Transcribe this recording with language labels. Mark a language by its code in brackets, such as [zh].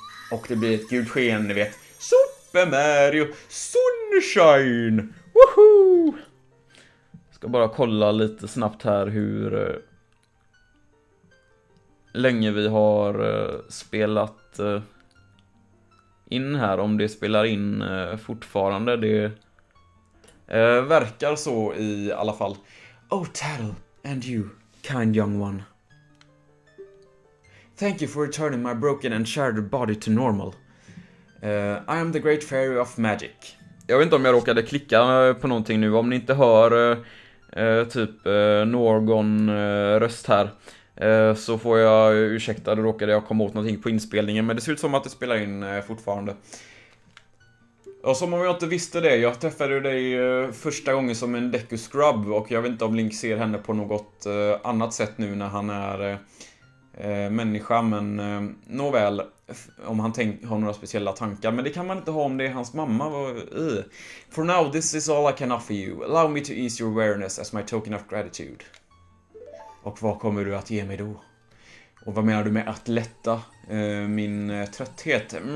[sv] Och det blir ett gult sken, ni vet. Super Mario Sunshine! Woohoo! Ska bara kolla lite snabbt här hur länge vi har spelat in här. Om det spelar in fortfarande. Det verkar så i alla fall. [en] Oh, Tattle, and you, kind young one. Thank you for returning my broken and shattered body to normal. I am the great fairy of magic. [sv] Jag vet inte om jag råkade klicka på någonting nu. Om ni inte hör typ någon röst här så får jag ursäkta. Då råkade jag komma åt någonting på inspelningen. Men det ser ut som att det spelar in fortfarande. Och som om jag inte visste det. Jag träffade dig första gången som en Deku Scrub. Och jag vet inte om Link ser henne på något annat sätt nu när han är... människa, men nåväl, om han har några speciella tankar, men det kan man inte ha om det är hans mamma. [en] For now, this is all I can offer you. Allow me to ease your awareness as my token of gratitude. [sv] Och vad kommer du att ge mig då? Och vad menar du med att lätta min trötthet?